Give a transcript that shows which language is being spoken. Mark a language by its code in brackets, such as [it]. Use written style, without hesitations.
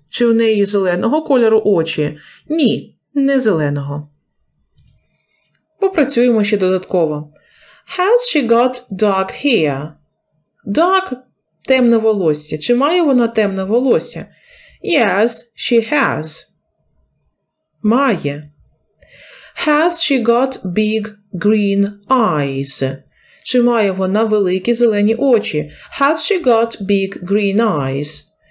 [uk] Чи у неї зеленого кольору очі? Ні, не зеленого. Попрацюємо ще додатково. [en] Has she got dark hair? [uk] Dark темне волосся. Чи має вона темне волосся? [en] Yes, she has. [uk] Має. [en] Has she got big green eyes? [uk] Чи має вона великі зелені очі? [en] Has she got big green eyes?